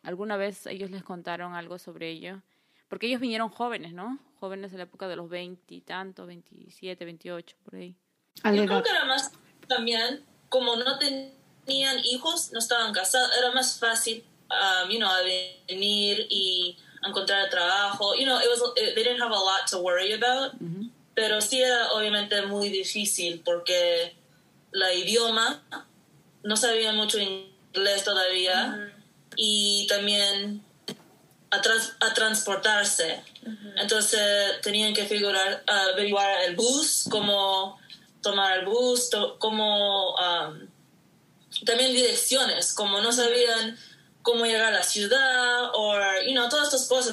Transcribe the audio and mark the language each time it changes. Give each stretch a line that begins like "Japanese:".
Spanish: ¿Alguna vez ellos les contaron algo sobre ello? Porque ellos vinieron jóvenes, ¿no? Jóvenes en la época de los 20 y tanto, 27, 28, por ahí. Yo creo que era más también, como no tenían hijos, no estaban casados, era más fácil, venir y encontrar trabajo.
English: They didn't have a lot to worry about.
Spanish: Mm-hmm. Pero sí era obviamente muy difícil porque... la idioma, no sabía mucho inglés todavía, uh-huh. y también a transportarse. Uh-huh. Entonces tenían que figurar, averiguar el bus, cómo tomar el bus, también direcciones, como no sabían cómo llegar a la ciudad, todas estas cosas.